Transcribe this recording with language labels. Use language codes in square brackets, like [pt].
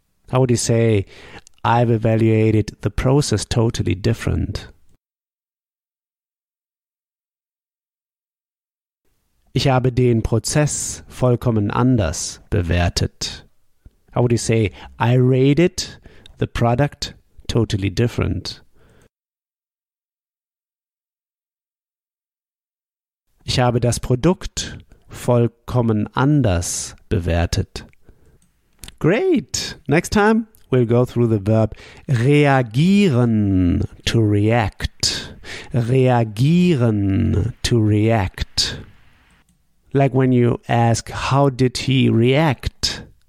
[en] How would you say, I've evaluated the process totally different? [de] Ich habe den Prozess vollkommen anders bewertet. [en] How would you say, I rated the product totally different. [de] Ich habe das Produkt vollkommen anders bewertet. [en] Great! Next time we'll go through the verb reagieren, to react. Reagieren, to react. Like when you ask, how did he react?